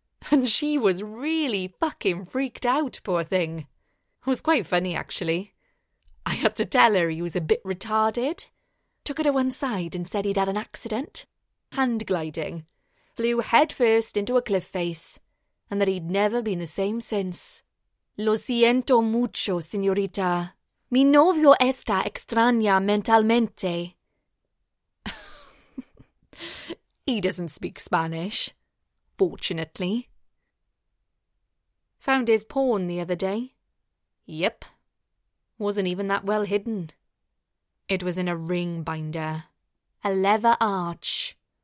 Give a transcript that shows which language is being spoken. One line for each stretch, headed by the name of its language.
English: And she was really fucking freaked out, poor thing. It was quite funny, actually. I had to tell her he was a bit retarded. Took her to one side and said he'd had an accident. Hand gliding. Flew headfirst into a cliff face. And that he'd never been the same since.
Spanish: Lo siento mucho, señorita. Mi novio está extraña mentalmente.
English: He doesn't speak Spanish. Fortunately. Found his porn the other day. Yep. Wasn't even that well hidden. It was in a ring binder. A leather arch.